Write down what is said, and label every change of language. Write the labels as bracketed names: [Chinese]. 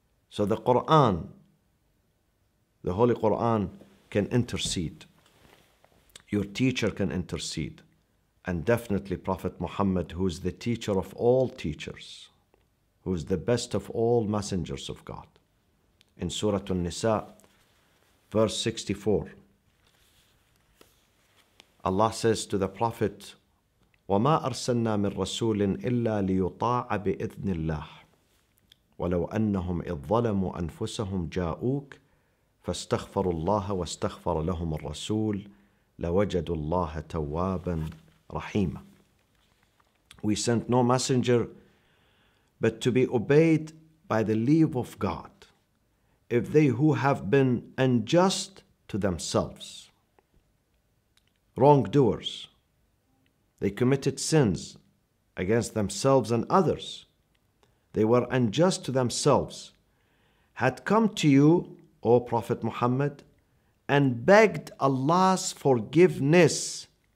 [English] So the Quran, the Holy Quran, can intercede. Your teacher can intercede. And definitely Prophet Muhammad, who is the teacher of all teachers, who is the best of all messengers of God. [Arabic] In Surah An-Nisa, verse 64, Allah says to the Prophet, وَمَا أَرْسَلْنَا مِنْ رَسُولٍ إِلَّا لِيُطَاعَ بِإِذْنِ اللَّهِ وَلَوْ أَنَّهُمْ إِذْ ظَلَمُوا أَنفُسَهُمْ جَاءُوكَ فَاسْتَغْفَرُوا اللَّهَ وَاسْتَغْفَرَ لَهُمُ الرَّسُولُ لَوَجَدُوا اللَّهَ تَوَّابًا رَحِيمًا. [English] We sent no messenger but to be obeyed by the leave of God, if they who have been unjust to themselves, wrongdoers, they committed sins against themselves and others, they were unjust to themselves, had come to you, O Prophet Muhammad, and begged Allah's forgiveness